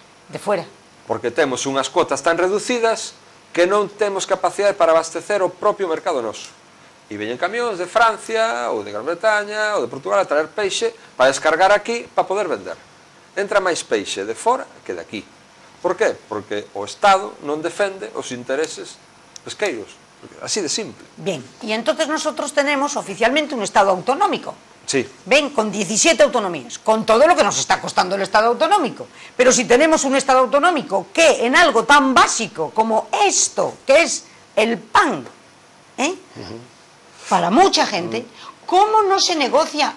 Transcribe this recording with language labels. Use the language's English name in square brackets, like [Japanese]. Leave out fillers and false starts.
[Spanish] De fuera? [Galician] Porque temos unhas cuotas tan reducidas que non temos capacidade para abastecer o propio mercado noso. E veñen camións de Francia, ou de Gran Bretaña, ou de Portugal a traer peixe para descargar aquí para poder vender. Entra máis peixe de fora que de aquí. Por qué? Porque o Estado non defende os intereses pesqueiros. Así de simple. [Spanish] Bien, e entonces nosotros tenemos oficialmente un Estado autonómico. Sí. Ven, con 17 autonomías, con todo lo que nos está costando el Estado autonómico. Pero si tenemos un Estado autonómico que en algo tan básico como esto, que es el pan, para mucha gente, ¿cómo no se negocia?